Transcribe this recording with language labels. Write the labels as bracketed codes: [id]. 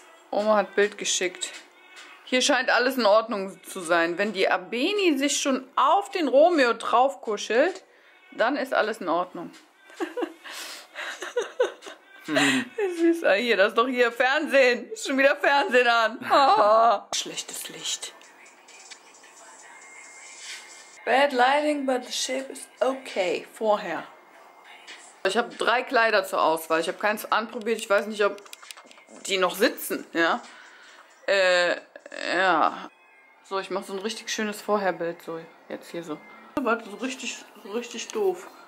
[de] Oma hat Bild geschickt. Hier scheint alles in Ordnung zu sein. Wenn die Abeni sich schon auf den Romeo draufkuschelt, dann ist alles in Ordnung. Süßer, hier, das ist doch hier Fernsehen. Ist schon wieder Fernsehen an. Schlechtes Licht. [en] Bad lighting, but the shape is okay. [de] Vorher. Ich habe 3 Kleider zur Auswahl. Ich habe keins anprobiert. Ich weiß nicht, ob die noch sitzen, ja. Ja. So, ich mache so ein richtig schönes Vorherbild so jetzt hier so. Warte, so richtig doof.